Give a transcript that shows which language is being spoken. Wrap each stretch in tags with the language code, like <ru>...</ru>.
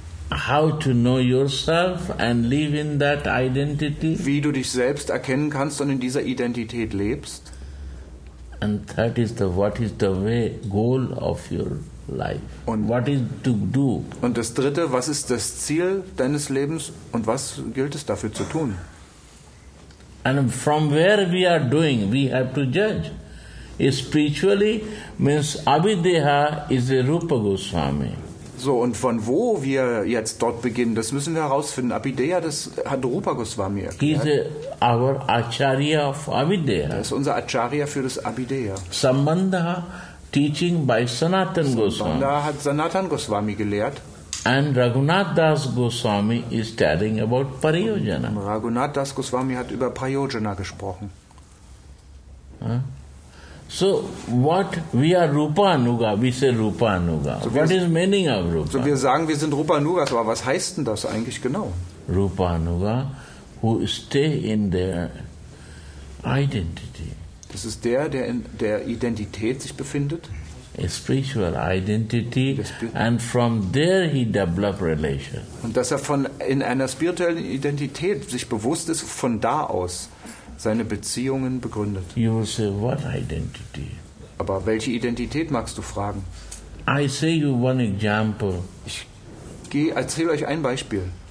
<en>How to know yourself and live in that identity.</en> <de>Wie du dich selbst erkennen kannst und in dieser Identität lebst.</de> <en>And that is the what is the way goal of your life.</en> <de>Und</de> <en>what is to do.</en> <de>Und das Dritte, was ist das Ziel deines Lebens und was gilt es dafür zu tun?</de> <en>And from where we are doing, we have to judge. Spiritually means Abhideha is a Rupa Goswami.</en> <de>So, und von wo wir jetzt dort beginnen, das müssen wir herausfinden. Abhideha, das hat Rupa Goswami erklärt.</de> <en>He's our Acharya of Abhideha.</en> <de>Das ist unser Acharya für das Abhideha.</de> <en>Sambandha teaching by Sanatan Goswami.</en> <de>Sambandha hat Sanatan Goswami gelehrt.</de> <en>And Raghunath Das Goswami is telling about Prayojana.</en> <de>Und Raghunath Das Goswami hat über Prayojana gesprochen.</de> <en>So what we are Rupa Anuga, we say Rupa Anuga. So what is meaning of Rupa?</en> <de>So wir sagen, wir sind Rupa Anuga, aber was heißt denn das eigentlich genau?</de> <en>Rupa Anuga, who stay in their identity.</en> <de>Das ist der, der in der Identität sich befindet.</de> <en>A spiritual identity, and from there he develop relation.</en> <de>Und dass er von in einer spirituellen Identität sich bewusst ist, von da aus seine Beziehungen begründet.</de> <en>You will say, what identity?</en> <de>Aber welche Identität magst du fragen?</de> <en>I say you one example.</en> <de>Ich erzähle euch ein Beispiel.</de>